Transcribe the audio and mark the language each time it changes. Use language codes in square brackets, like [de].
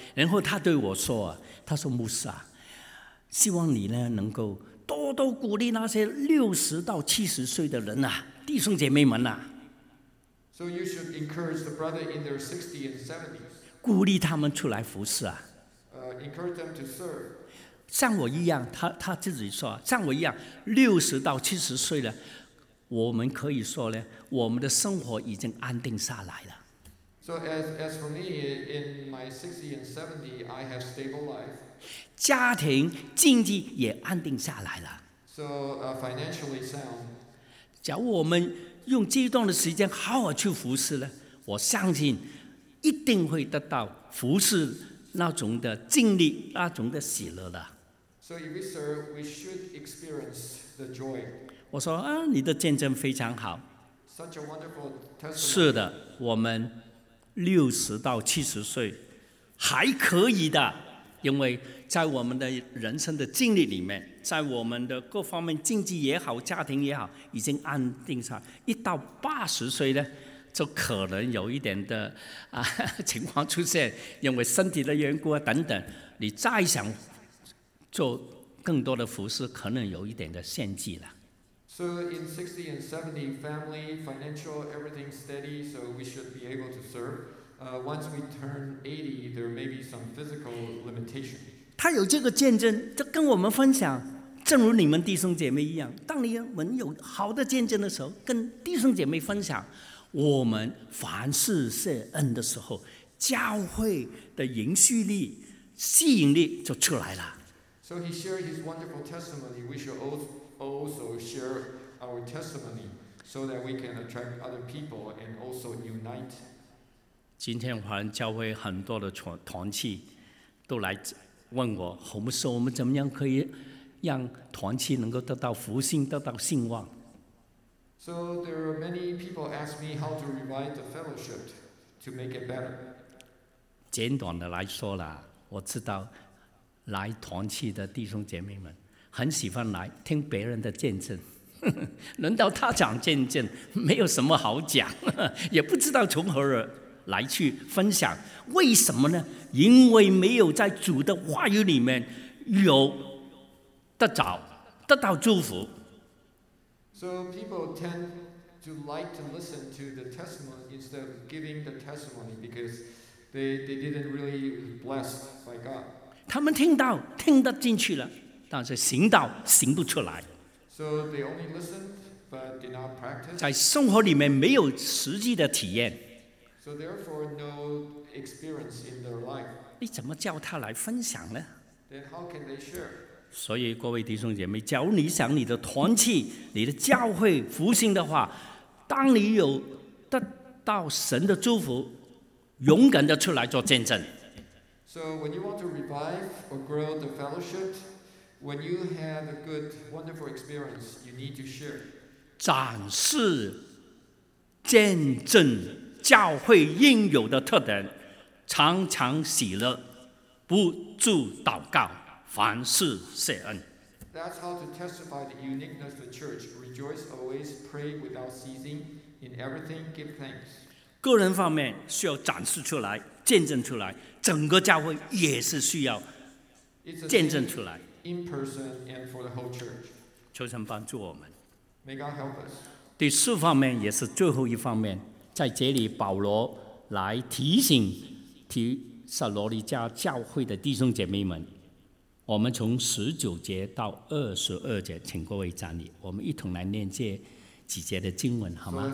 [zh] 然后他对我说啊，他说牧师啊，希望你呢能够多多鼓励那些60到70岁的人啊，弟兄姐妹们啊。 [en] So you should encourage the brother in their 60s and 70s. [zh] 鼓励他们出来服侍啊。 [en] Encourage them to serve. [zh] 像我一样 他自己说像我一样60到70岁了，我们可以说呢，我们的生活已经安定下来了。 [en] So as for me, in my 60 and 70, I have stable life. [zh] 家庭经济也安定下来了。 [en] So financially sound. [zh] 假如我们用这一段的时间好好去服侍呢，我相信一定会得到服侍那种的经历，那种的喜乐的。 [en] So if we serve, we should experience the joy. [zh] 我说啊，你的见证非常好。 [en] Such a wonderful testimony. [zh] 是的，我们60到70岁还可以的，因为在我们的人生的经历里面，在我们的各方面，经济也好，家庭也好，已经安定上。一到80岁呢，就可能有一点的情况出现，因为身体的缘故等等，你再想做更多的服侍可能有一点的限制了。 [en] So in 60 and 70, family, financial, everything steady, so we should be able to serve. Once we turn 80, there may be some physical limitation. [zh] 他有这个见证，就跟我们分享，正如你们弟兄姐妹一样，当你们有好的见证的时候，跟弟兄姐妹分享，我们凡事谢恩的时候，教会的凝聚力、吸引力就出来了。 [en] So he shared his wonderful testimony. We should also share our testimony so that we can attract other people and also unite. [zh] 今天华人教会很多的团契都来问我，侯牧师，我们怎么样可以让团契能够得到复兴，得到兴旺？ [en] So there are many people ask me how to revive the fellowship to make it better. [zh] 简短的来说啦，我知道。来团契的弟兄姐妹们很喜欢来听别人的见证，轮到他讲见证没有什么好讲，也不知道从何而来去分享。为什么呢？因为没有在主的话语里面有得着得到祝福。 [en] So people tend to like to listen to the testimony instead of giving the testimony because they didn't really blessed by God. [zh] 他们听到听得进去了，但是行道行不出来。 [en] So they only listened, but did not practice. [zh] 在生活里面没有实际的体验。 [en] So therefore, no experience in their life. [zh] 你怎么叫他来分享呢？ [en] Then how can they share? [zh] 所以各位弟兄姐妹，假如你想你的团契、你的教会复兴的话，当你有得到神的祝福，勇敢的出来做见证。 [en] So when you want to revive or grow the fellowship, when you have a good, wonderful experience, you need to share. [zh] 展示见证教会应有的特点，常常喜乐，不住祷告，凡事谢恩。 [en] That's how to testify the uniqueness of the church. Rejoice always, pray without ceasing, in everything give thanks. [zh] 个人方面需要展示出来，见证出来。整个教会也是需要见证出来。 [en] In person and for the whole church. [zh] 求神帮助我们。 [en] May God help us. [zh] 第四方面也是最后一方面，在这里保罗来提醒提撒罗尼迦教会的弟兄姐妹们。我们从十九节到二十二节，请各位站立，我们一同来念这几节的经文，好吗？